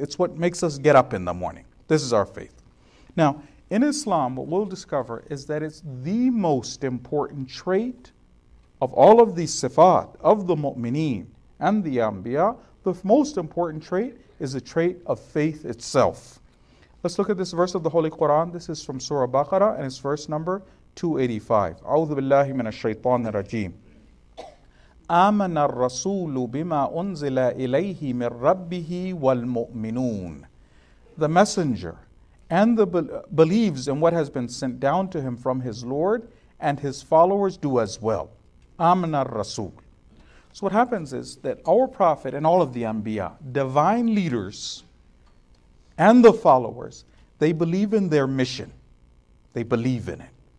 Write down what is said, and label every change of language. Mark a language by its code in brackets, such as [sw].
[en] It's what makes us get up in the morning. This is our faith. Now, in Islam, what we'll discover is that it's the most important trait of all of the sifat of the mu'mineen and the anbiya. The most important trait is the trait of faith itself. Let's look at this verse of the Holy Quran. This is from Surah Baqarah and it's verse number 285. [ar] أعوذ بالله من الشيطان الرجيم. آمن الرسول بما أنزل إليه من ربه والمؤمنون. [en] The messenger and the believes in what has been sent down to him from his Lord, and his followers do as well. [ar] آمن الرسول. [en] So what happens is that our Prophet and all of the Anbiya, divine leaders and the followers, they believe in their mission. They believe in it.